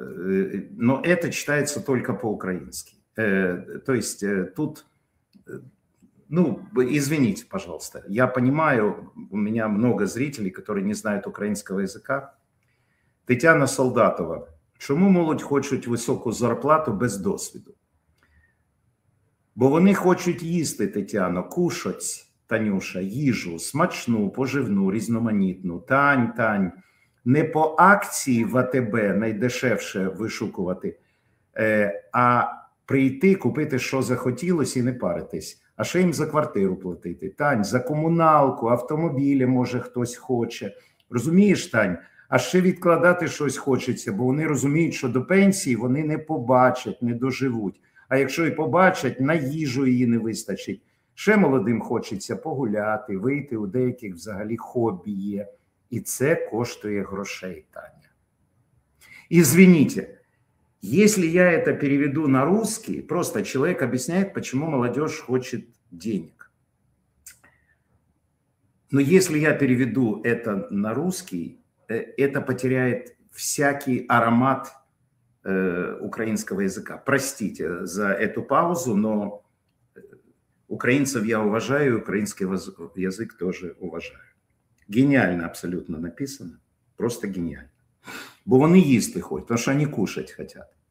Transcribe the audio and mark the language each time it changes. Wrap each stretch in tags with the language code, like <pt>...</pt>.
<ru>но это читается только по-украински. То есть тут, ну, извините, пожалуйста, я понимаю, у меня много зрителей, которые не знают украинского языка.</ru> <uk>Тетяна Солдатова, чому молодь хочуть високу зарплату без досвіду? Бо вони хочуть їсти, Тетяно, кушать, Танюша, їжу, смачну, поживну, різноманітну. Тань, Тань, не по акції в АТБ найдешевше вишукувати, а прийти, купити, що захотілося, і не паритись. А ще їм за квартиру платити. Тань, за комуналку, автомобілі, може, хтось хоче. Розумієш, Тань? А ще відкладати щось хочеться, бо вони розуміють, що до пенсії вони не побачать, не доживуть. А якщо і побачать, на їжу її не вистачить. Ще молодим хочеться погуляти, вийти, у деяких взагалі хобі є. І це коштує грошей, Таня. І звініть, якщо я це переведу на русский, просто чоловік об'ясняє, чому молодіж хоче денег. Но якщо я переведу це на русский,</uk> <ru>это потеряет всякий аромат украинского языка. Простите за эту паузу, но украинцев я уважаю, украинский язык тоже уважаю. Гениально абсолютно написано, просто гениально.</ru> <uk>Бо вони їсти хоч, тому що вони</uk> <ru>кушать хотят.</ru>